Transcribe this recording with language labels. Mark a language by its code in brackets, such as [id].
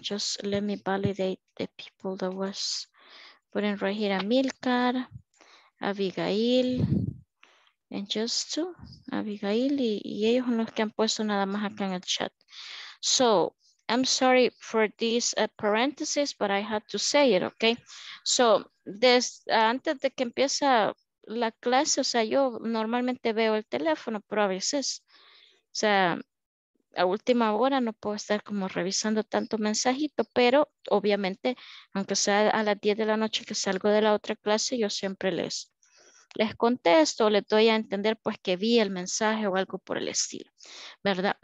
[en] Just let me validate the people that was putting right here. Amilcar, Abigail, and just two. [es] Abigail y ellos son los que han puesto nada más acá en el chat. [en] So, I'm sorry for this parenthesis, but I had to say it, okay? [es] So, antes de que empiece la clase, o sea, yo normalmente veo el teléfono, pero a veces, o sea, a última hora no puedo estar como revisando tanto mensajito, pero obviamente, aunque sea a las 10 de la noche que salgo de la otra clase, yo siempre les contesto, les doy a entender pues que vi el mensaje o algo por el estilo, ¿verdad?